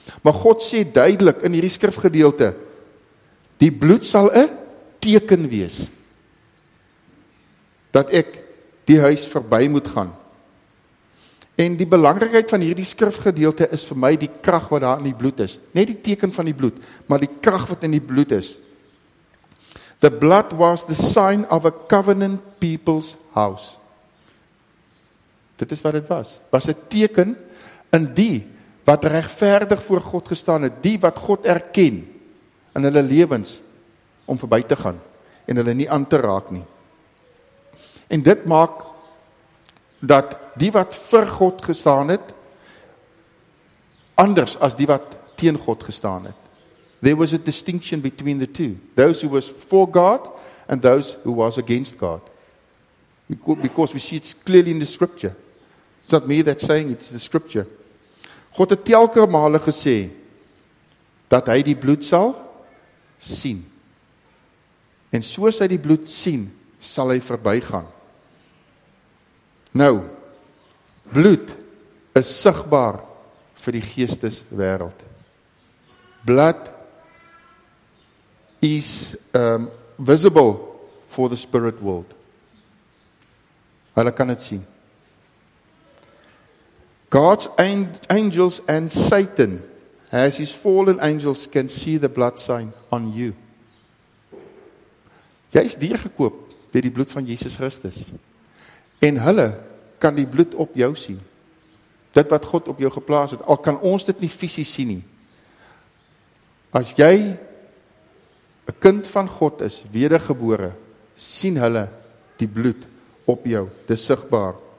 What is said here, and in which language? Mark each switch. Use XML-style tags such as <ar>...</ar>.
<af>Maar God sê duidelik in hierdie skrifgedeelte, die bloed sal 'n teken wees, dat ek die huis verby moet gaan. En die belangrikheid van hierdie skrifgedeelte is vir my die krag wat daar in die bloed is. Net die teken van die bloed, maar die krag wat in die bloed is.</af> <en>The blood was the sign of a covenant people's house.</en> <af>Dit is wat het was. Was het teken in die wat regverdig voor God gestaan het, die wat God erken in hulle levens om voorbij te gaan en hulle nie aan te raak nie. En dit maak dat die wat vir God gestaan het, anders as die wat teen God gestaan het.</af> <en>There was a distinction between the two. Those who was for God and those who was against God. Because we see it clearly in the scripture. It's not me that's saying it, it's the scripture.</en> <af>God het telke male gesê dat hy die bloed sal sien. En soos hy die bloed sien, sal hy verbygaan. Nou, bloed is sigbaar vir die geesteswereld.</af> <en>Blood is visible for the spirit world.</en> <af>Hulle kan het sien.</af> <en>God's angels and Satan, as his fallen angels, can see the blood sign on you.</en> <af>Jy is deurgekoop deur die bloed van Jesus Christus. En hulle kan die bloed op jou sien. Dit wat God op jou geplaas het, al kan ons dit nie fisies sien nie. As jy 'n kind van God is, wedergebore, sien hulle die bloed op jou, dis sigbaar.</af>